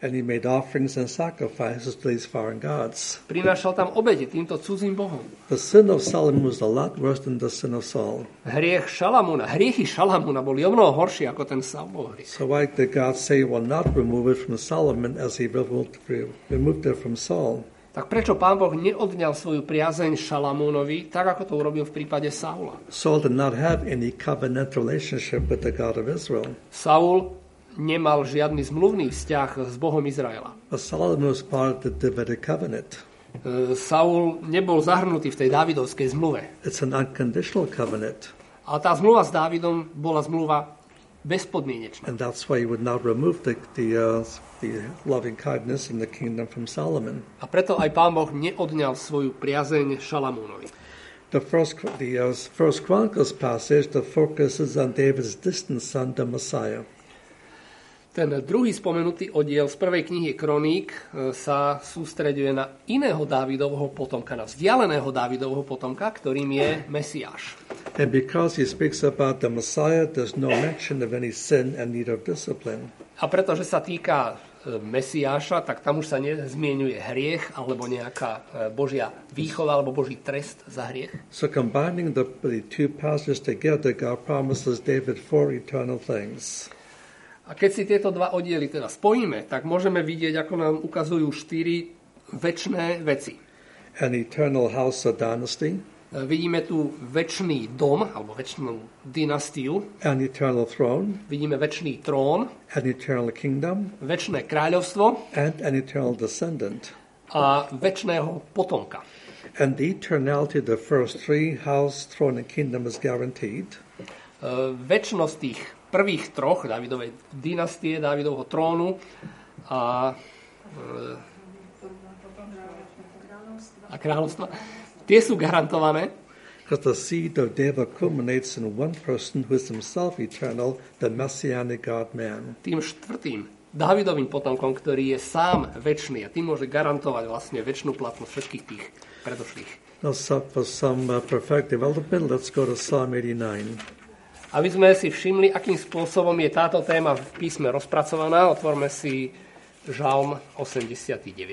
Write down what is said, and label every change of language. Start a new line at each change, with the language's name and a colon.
English: And he made offerings and sacrifices to these foreign gods.
Slovak: Prinášal tam obete týmto cudzím bohom.
English: The sin of Solomon was a lot worse than the sin of Saul.
Slovak: Hriechy Šalamúna boli o mnoho horší ako ten Saulov hriech.
English: So why did God say he will not remove it from Solomon as he removed it from Saul?
Slovak: Tak prečo Pán Boh neodňal svoju priazeň Šalamúnovi, tak ako to urobil v prípade Saula?
English: Saul did not have any covenant relationship with the God of Israel.
Slovak: Saul nemal žiadny zmluvný vzťah s Bohom Izraela.
English: But Solomon was part of the Davidic covenant.
Slovak: Saul nebol zahrnutý v tej Dávidovskej zmluve.
English: It's an unconditional covenant.
Slovak: A tá zmluva s Dávidom bola zmluva bezpodmienečná.
English: And that's why he would not remove the loving kindness and the kingdom from Solomon.
Slovak: A preto aj Pán Boh neodňal svoju priazeň Šalamúnovi.
English: The first Chronicles passage that focuses on David's distant son, the Messiah.
Slovak: Ten druhý spomenutý oddiel z prvej knihy Kroník sa sústreďuje na iného Dávidovho potomka, na vzdialeného Dávidovho potomka, ktorým je Mesiáš.
English: And because he speaks about the Messiah, there's no mention of any sin and need of discipline.
Slovak: A pretože sa týka Mesiáša, tak tam už sa nezmieňuje hriech alebo nejaká Božia výchova alebo Boží trest za hriech.
English: So combining the two passages together, God promises David four eternal things.
Slovak: A keď si tieto dva oddiely teda spojíme, tak môžeme vidieť, ako nám ukazujú štyri večné veci.
English: An eternal house or dynasty.
Slovak: Vidíme tu večný dom alebo večnú dynastiu.
English: An eternal throne.
Slovak: Vidíme večný trón.
English: An eternal kingdom.
Slovak: Večné kráľovstvo.
English: And an eternal descendant.
Slovak: A večného potomka.
English: And the eternality of the first three, house, throne and kingdom is guaranteed.
Slovak: Večnosť tých prvých troch Dávidovej dynastie, Dávidovho trónu a kráľovstva. Tie sú garantované.
English: Because the seed of David culminates in one person who is himself eternal, the messianic God-man.
Slovak: Tým štvrtým Dávidovým potomkom, ktorý je sám večný a tým môže garantovať vlastne večnú platnosť všetkých tých predošlých.
English: Now for some perfect development, let's go to Psalm 89.
Slovak: Aby sme si všimli, akým spôsobom je táto téma v písme rozpracovaná, otvorme si Žalm 89.